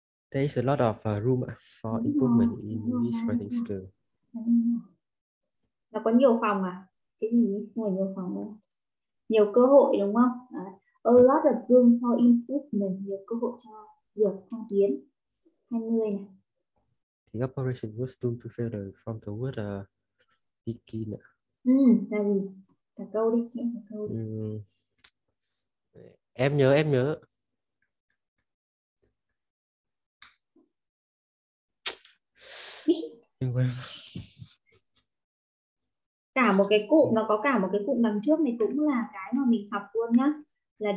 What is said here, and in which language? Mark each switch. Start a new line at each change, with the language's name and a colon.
English: There is a lot of room for
Vietnamese: Đúng
English: improvement in
Vietnamese: rồi,
English: these writing skills.
Vietnamese: đúng rồi. Nó có nhiều phòng à? Cái gì? Ngồi nhiều phòng đâu. Nhiều cơ hội đúng không? Đấy.
English: A lot of room for improvement.
Vietnamese: Nhiều cơ hội cho việc thăng tiến. 20 này.
English: Operation was doomed to failure from the word begin.
Vietnamese: Là gì? Thả câu đi, nghĩa thả câu đi. Em nhớ. Cả một cái cụm, nó có cả một cái cụm đằng trước này cũng là cái mà mình học luôn nhá, là